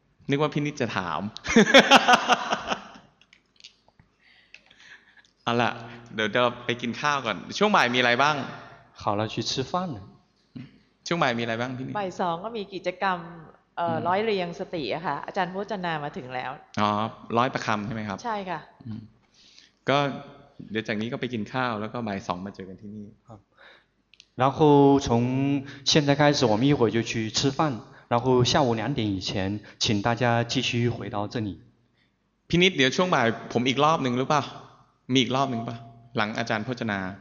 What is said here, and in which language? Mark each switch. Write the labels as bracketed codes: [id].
[th] นึกว่าพี่นิดจะถามเอาล่ะเดี๋ยวไปกินข้าวก่อนช่วงบ่ายมีอะไรบ้าง ข่าวเราชิซื้อฟัน ช่วงบ่ายมีอะไรบ้างพี่นี่ บ่ายสองก็มีกิจกรรมร้อยเรียงสติอะค่ะอาจารย์พุทธนามาถึงแล้ว อ๋อร้อยประคำใช่ไหมครับ ใช่ค่ะ ก็เดี๋ยวจากนี้ก็ไปกินข้าวแล้วก็บ่ายสองมาเจอกันที่นี่ [zh] 然后从现在开始我们一会就去吃饭然后下午两点以前请大家继续回到这里 [th] พี่นิดเดี๋ยวช่วงบ่ายผมอีกรอบนึงหรือเปล่ามีอีกรอบนึงปะหลังอาจารย์โภชนา